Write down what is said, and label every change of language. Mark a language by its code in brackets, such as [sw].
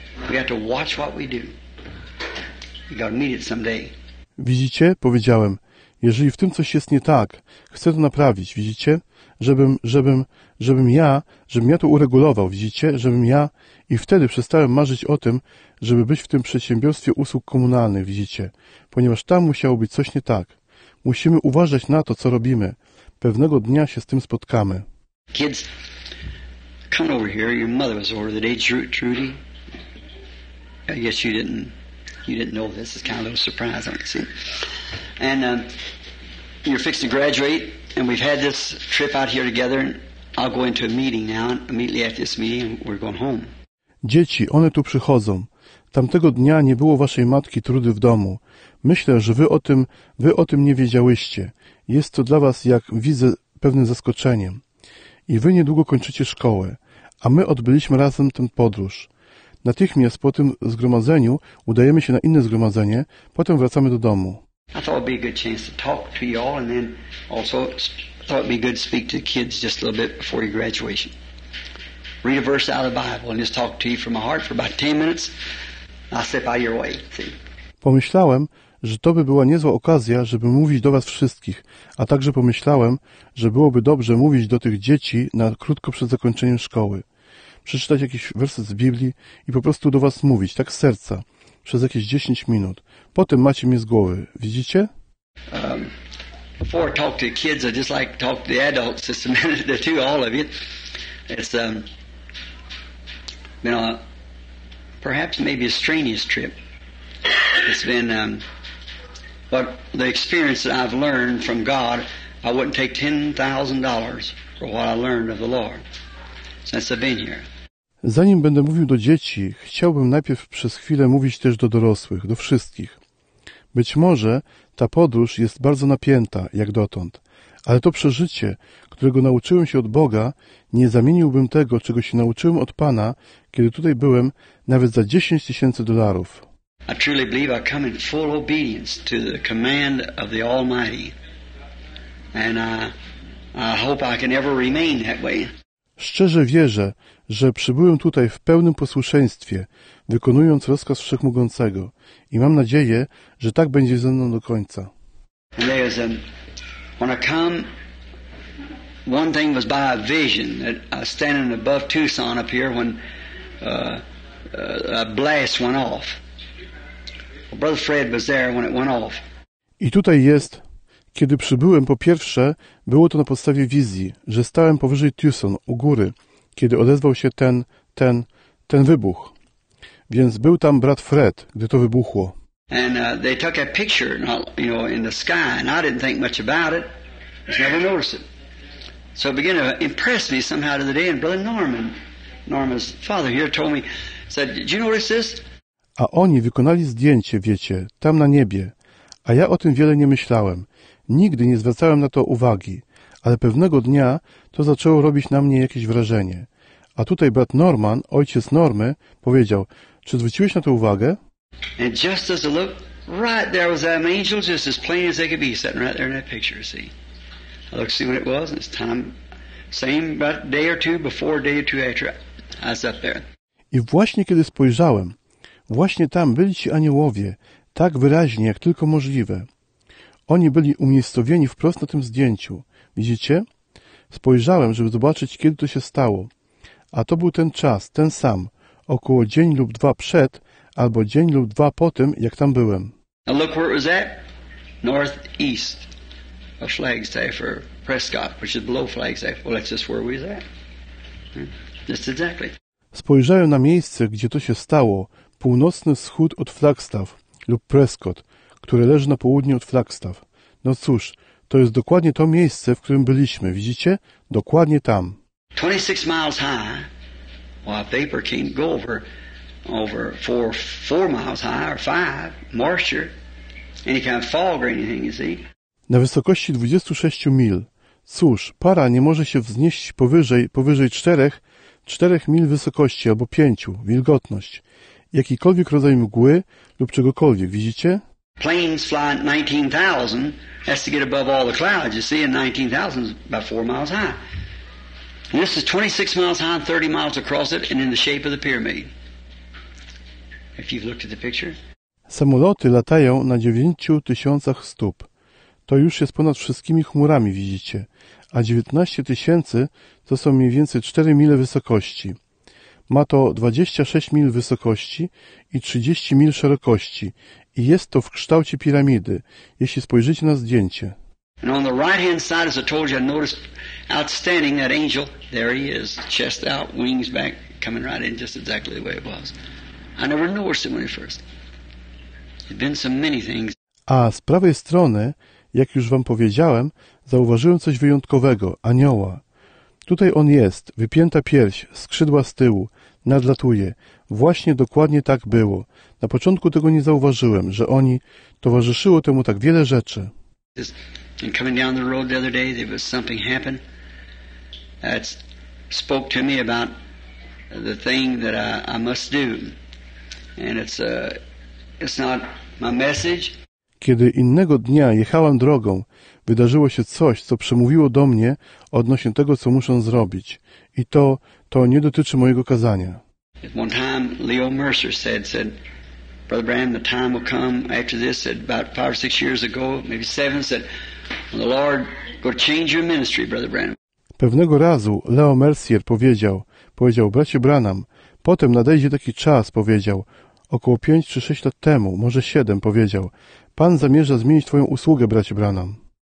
[en] We have to watch what we do. We got to meet it someday. [pl] Widzicie, powiedziałem, jeżeli w tym coś jest nie tak, chcę to naprawić, widzicie, żebym ja to uregulował, widzicie, żebym ja, i wtedy przestałem marzyć o tym, żeby być w tym przedsiębiorstwie usług komunalnych, widzicie, ponieważ tam musiało być coś nie tak. Musimy uważać na to, co robimy. Pewnego dnia się z tym spotkamy. [en] Kids, come over here. Your mother was over the day, Trudy. I guess you didn't know this. It's kind of a little surprise, aren't you? See? And you're fixed to graduate, and we've had this trip out here together. And I'll go into a meeting now. Immediately after this meeting, we're going home. [pl] Dzieci, one tu przychodzą. Tamtego dnia nie było waszej matki Trudy w domu. Myślę, że wy o tym nie wiedziałyście. Jest to dla was, jak widzę, pewnym zaskoczeniem. I wy niedługo kończycie szkołę, a my odbyliśmy razem tę podróż. Natychmiast po tym zgromadzeniu udajemy się na inne zgromadzenie, potem wracamy do domu. [en] I thought it'd be a good chance to talk to you all, and then also thought it'd be good to speak to the kids just a little bit before your graduation. Read a verse out of the Bible and just talk to you from my heart for about 10 minutes. I'll step out your way. See? [pl] Pomyślałem, że to by była niezła okazja, żeby mówić do was wszystkich, a także pomyślałem, że byłoby dobrze mówić do tych dzieci na krótko przed zakończeniem szkoły. Przeczytać jakiś werset z Biblii i po prostu do was mówić, tak z serca, przez jakieś 10 minut. Potem macie mnie z głowy, widzicie? [en] Before I talk to the kids, I'd just like to talk to the adults, just a minute or two, all of you. It's been perhaps maybe a strenuous trip. It's been, but the experience that I've learned from God, I wouldn't take $10,000 for what I learned of the Lord since I've been here. [pl] Zanim będę mówił do dzieci, chciałbym najpierw przez chwilę mówić też do dorosłych, do wszystkich. Być może ta podróż jest bardzo napięta, jak dotąd, ale to przeżycie, którego nauczyłem się od Boga, nie zamieniłbym tego, czego się nauczyłem od Pana, kiedy tutaj byłem, nawet za 10 tysięcy dolarów. [en] I truly believe I come in full obedience to the command of the Almighty. And I hope I can ever remain that way. [pl] Szczerze wierzę, że przybyłem tutaj w pełnym posłuszeństwie, wykonując rozkaz Wszechmogącego. I mam nadzieję, że tak będzie ze mną do końca. [en] And there is when I come, one thing was by a vision that I was standing above Tucson up here when a blast went off. Brother Fred was there when it went off. [pl] I tutaj jest, kiedy przybyłem, po pierwsze, było to na podstawie wizji, że stałem powyżej Tucson, u góry, kiedy odezwał się ten wybuch. Więc był tam brat Fred, gdy to wybuchło. [en] And they took a picture, you know, in the sky, and I didn't think much about it. I never noticed it. So it began to impress me somehow to the day, and Brother Norman's father here told me, said, did you notice this? [pl] A oni wykonali zdjęcie, wiecie, tam na niebie. A ja o tym wiele nie myślałem. Nigdy nie zwracałem na to uwagi. Ale pewnego dnia to zaczęło robić na mnie jakieś wrażenie. A tutaj brat Norman, ojciec Normy, powiedział, czy zwróciłeś na to uwagę? [en] And just as I looked, right there was that angel, just as plain as they could be, sitting right there in that picture, see. I looked to see what it was, and it's time, same about day or two before, day or two after, I was up there. [pl] I właśnie kiedy spojrzałem, właśnie tam byli ci aniołowie, tak wyraźnie, jak tylko możliwe. Oni byli umiejscowieni wprost na tym zdjęciu. Widzicie? Spojrzałem, żeby zobaczyć, kiedy to się stało. A to był ten czas, ten sam, około dzień lub dwa przed, albo dzień lub dwa po tym, jak tam byłem. [en] Now look where it was at. Northeast of Flagstaff or Prescott, which is below Flagstaff. Well, that's just where we was at. Just exactly. [pl] Spojrzałem na miejsce, gdzie to się stało, północny wschód od Flagstaff lub Prescott, które leży na południe od Flagstaff. No cóż, to jest dokładnie to miejsce, w którym byliśmy. Widzicie? Dokładnie tam. [en] 26 miles high, while vapor can go over 4 miles high or 5, moisture, any kind of fog or anything, you see. [pl] Na wysokości 26 mil. Cóż, para nie może się wznieść powyżej 4 mil wysokości albo 5, wilgotność. Jakikolwiek rodzaj mgły lub czegokolwiek, widzicie? [en] Planes fly 19,000, has to get above all the clouds, you see, and 19,000 is about 4 miles high. And this is 26 miles high and 30 miles across it and in the shape of the pyramid. If you've looked at the picture. [pl] Samoloty latają na 9,000 stóp. To już jest ponad wszystkimi chmurami, widzicie. A 19,000 to są mniej więcej 4 mile wysokości. Ma to 26 mil wysokości i 30 mil szerokości. I jest to w kształcie piramidy, jeśli spojrzycie na zdjęcie. [en] And on the right hand side, as I told you, I noticed outstanding that angel. There he is, chest out, wings back, coming right in just exactly the way it was. I never noticed him when he first. There've been so many things. [pl] A z prawej strony, jak już wam powiedziałem, zauważyłem coś wyjątkowego, anioła. Tutaj on jest, wypięta pierś, skrzydła z tyłu, nadlatuje. Właśnie dokładnie tak było. Na początku tego nie zauważyłem, że oni towarzyszyło temu tak wiele rzeczy. [en] And coming down the road the other day, there was something happened that spoke to me about the thing that I must do. And it's not my message. [pl] Kiedy innego dnia jechałem drogą, wydarzyło się coś, co przemówiło do mnie odnośnie tego, co muszę zrobić. I to nie dotyczy mojego kazania. [en] One time Leo Mercer said, Brother Branham, the time will come after this, said about 5 or 6 years ago, maybe 7, said, the Lord will change your ministry, Brother Branham. [pl] Pewnego razu Leo Mercer powiedział, bracie Branham, potem nadejdzie taki czas, powiedział, około 5 czy 6 lat temu, może 7, powiedział, Pan zamierza zmienić Twoją usługę, bracie Branham.